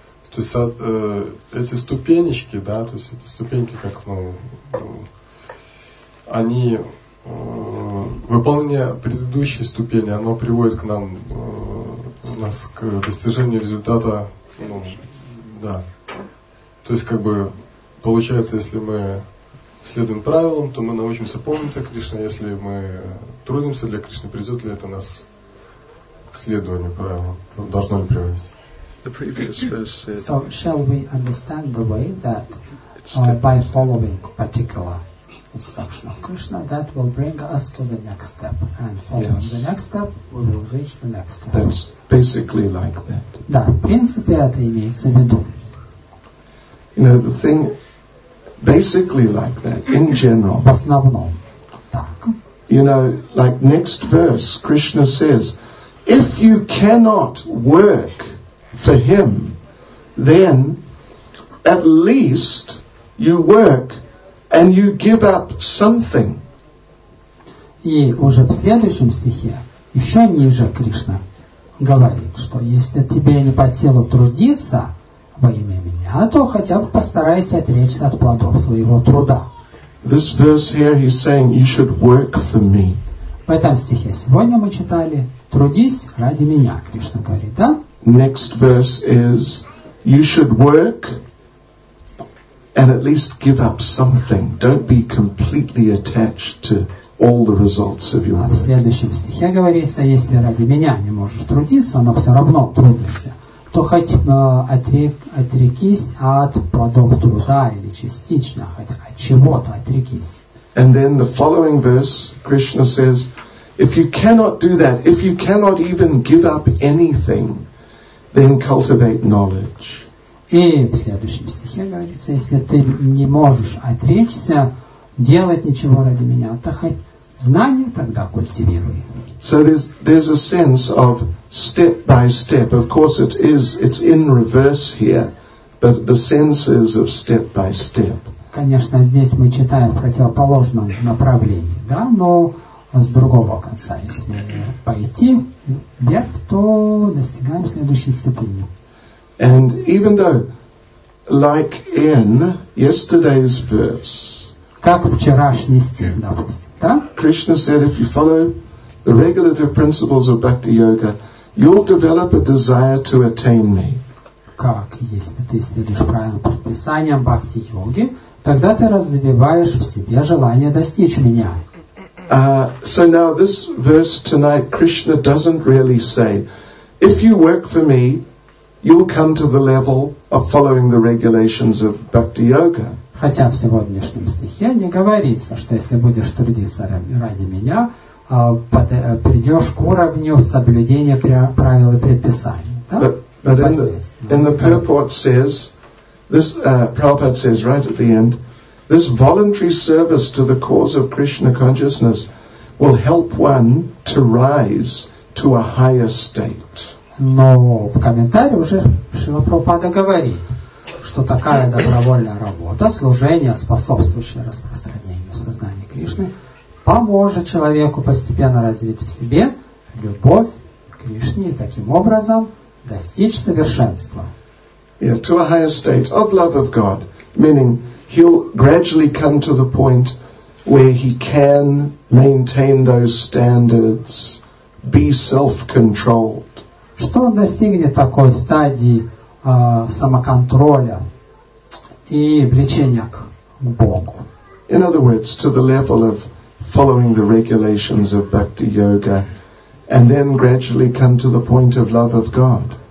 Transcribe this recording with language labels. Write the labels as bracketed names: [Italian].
[Russian] То есть, эти ступенечки, да, то есть эти ступеньки, как, ну, они, выполнение предыдущей ступени, оно приводит к нам, нас к достижению результата, ну, да. То есть, как бы, получается, если мы следуем правилам, то мы научимся помнить о Кришне. Если мы трудимся для Кришны, придет ли это нас к следованию правилам? Должно ли приводить? [English] So, shall we understand the way that by following particular instruction of Krishna, that will bring us to the next step, and following yes. the next step, we will reach the next step. That's basically like that. [Russian] Да, в принципе, это имеется в виду. [English] You know, the thing, basically like that, in general. [Russian] В основном, так. [English] You know, like next verse, Krishna says, if you cannot work for him, then at least you work and you give up something. [Russian] И уже в следующем стихе, еще ниже, Кришна говорит, что если тебе не под силу трудиться во имя меня, то хотя бы постарайся отречься от плодов своего труда. [English] This verse here, he's saying, you should work for me. [Russian] В этом стихе сегодня мы читали, трудись ради меня, Кришна говорит, да? [English] Next verse is, you should work and at least give up something. Don't be completely attached to all the results of your work. [Russian] В следующем стихе говорится, если ради меня не можешь трудиться, но все равно трудишься, то хоть отрекись от плодов труда или частично, хоть от чего-то отрекись. [English] And then the following verse, Krishna says, if you cannot do that, if you cannot even give up anything, then cultivate knowledge. [Russian] И в следующем стихе говорится, если ты не можешь отречься, делать ничего ради меня, то хоть знания тогда культивируй. [English] So there's a sense of step by step. Of course it is, it's in reverse here, but the sense is of step by step. [Russian] Конечно, здесь мы читаем в противоположном направлении, да, но с другого конца, если пойти вверх, то достигаем следующей ступени. [English] And even though, like in yesterday's verse, [Russian] как вчерашний стих, допустим, да? [English] Krishna said, if you follow the regulative principles of Bhakti Yoga, you'll develop a desire to attain me. [Russian] Как, если ты следуешь правилам предписания Бхакти Йоги, тогда ты развиваешь в себе желание достичь меня. [English] So now this verse tonight, Krishna doesn't really say, if you work for me, you'll come to the level of following the regulations of Bhakti Yoga. [Russian] Хотя в сегодняшнем стихе не говорится, что если будешь трудиться ради меня, придешь к уровню соблюдения правил и предписаний. Да? [English] Prabhupada says right at the end, this voluntary service to the cause of Krishna consciousness will help one to rise to a higher state. [Russian] Но в комментарии уже Шрила Прабхупада говорит, что такая добровольная работа, служение, способствующее распространению сознания Кришны, поможет человеку постепенно развить в себе любовь к Кришне и таким образом достичь совершенства. [English] Yeah, to a higher state of love of God, meaning he'll gradually come to the point where he can maintain those standards, be self-controlled. [Russian] Что он достигнет такой стадии самоконтроля и влечения к Богу? [English] In other words, to the level of following the regulations of Bhakti Yoga, and then gradually come to the point of love of God.